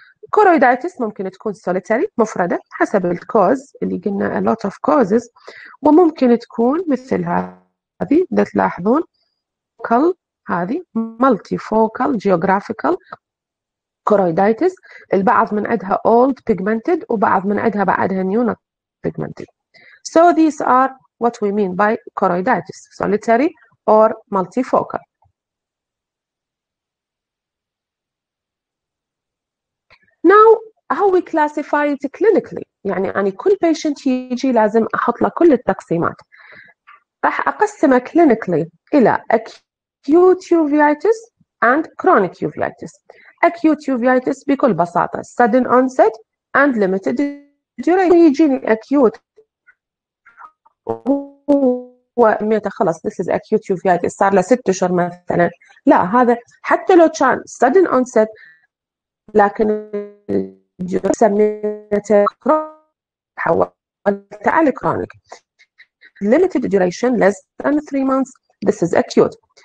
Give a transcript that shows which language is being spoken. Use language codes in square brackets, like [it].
[ar] كورويديتس ممكن تكون solitary مفردة حسب الكوز اللي قلنا [en] a lot of causes، [ar] وممكن تكون مثل هذا هذه إذا تلاحظون فوكال، هذه مالتي فوكال جيوغرافيكال كورويدايتس، البعض من عندها اولد بيجمنتد وبعض من عندها بعدها نيو نوت بيجمنتد. [en] So these are what we mean by choroiditis, solitary or multifocal. Now, how we classify it clinically? [ar] يعني أنا كل patient يجي لازم أحط له كل التقسيمات. راح أقسمه [en] clinically إلى acute uveitis and chronic uveitis. Acute uveitis [ar] بكل بساطة [en] sudden onset and limited duration. [ar] يجيني acute هو خلاص [en] this is acute uveitis [ar] صار له 6 اشهر مثلا، لا هذا حتى لو كان [en] sudden onset [ar] لكن سميته حولت على chronic. [en] Limited duration less than 3 months this is acute.